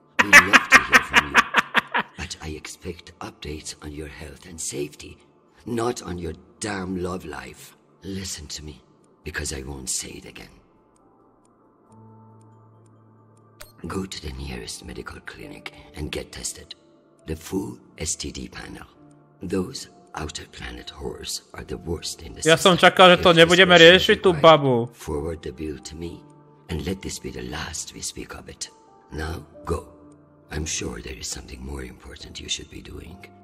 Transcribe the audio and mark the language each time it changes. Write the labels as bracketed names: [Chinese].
[English] We love to hear from you, but I expect updates on your health and safety, not on your damn love life. Listen to me, because I won't say it again. Go to the nearest medical clinic and get tested. The full STD panel. Those outer planet whores are the worst in the system. [Slovak] Ja som čakal, že to nebudeme riešiť tú babu. [English] Forward the bill to me and let this be the last we speak of it. Now go. I'm sure there is something more important you should be doing.